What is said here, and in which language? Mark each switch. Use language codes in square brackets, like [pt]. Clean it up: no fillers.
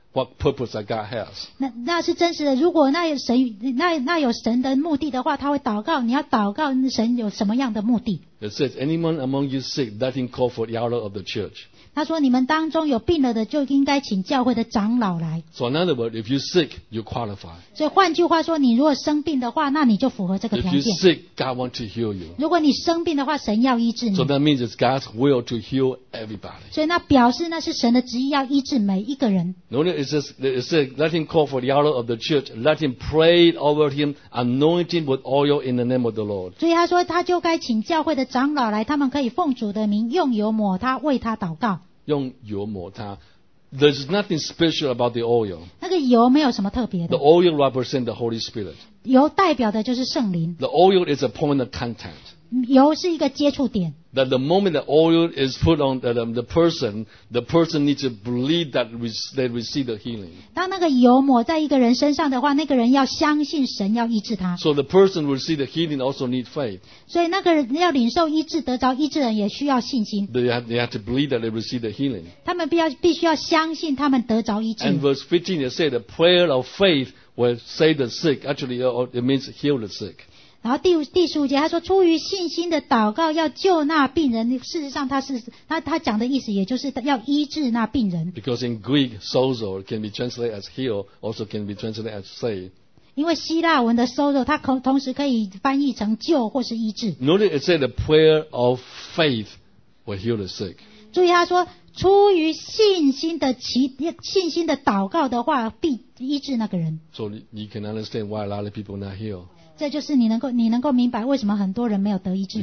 [en] What purpose that God has? [zh] 那是真实的。如果那有神，那有神的目的的话，他会祷告。你要祷告神有什么样的目的 [en] ？It says, "Anyone among you sick, let him call for the elder of the church." [zh] 他说，你们当中有病了的，就应该请教会的长老来。 [en] So in other words, if you sick, you qualify. [zh] 所以换句话说，你如果生病的话，那你就符合这个条件。 [en] If you sick, God wants to heal you. [zh] 如果你生病的话，神要医治你。 [en] So that means it's God's will to heal everybody. [zh] 所以那表示那是神的旨意要医治每一个人。 [en] It says, let him call for the elder of the church. Let him pray over him, anointing with oil in the name of the Lord. [zh] 所以他说他就该请教会的长老来，他们可以奉主的名用油抹他，为他祷告。用油抹他。 [en] There's nothing special about the oil. [zh] 那个油没有什么特别的。 [en] The oil represents the Holy Spirit. [zh] 油代表的就是圣灵。 [en] The oil is a point of contact. [zh] 油是一个接触点。 [en] That the moment the oil is put on the person needs to believe that they receive the healing. [zh] 当那个油抹在一个人身上的话，那个人要相信神要医治他。 [en] So the person who receives the healing also needs faith. [zh] 所以那个人要领受医治，得着医治人也需要信心。 [en] They have to believe that they receive the healing. [zh] 他们必须要相信他们得着医治。 [en] And verse 15 it says the prayer of faith will save the sick. Actually, it means heal the sick. [zh] 然后第十五节他说出于信心的祷告要救那病人，事实上他讲的意思也就是要医治那病人。 [en] Because in Greek sozo can be translated as heal, also can be translated as save. [zh] 因为希腊文的 sozo 它同时可以翻译成救或是医治。 [en] Notice it said the prayer of faith will heal the sick. [zh] 注意他说出于信心的祷告的话必医治那个人。 [en] So you can understand why a lot of people not healed. [zh] 这就是你能够明白为什么很多人没有得医治。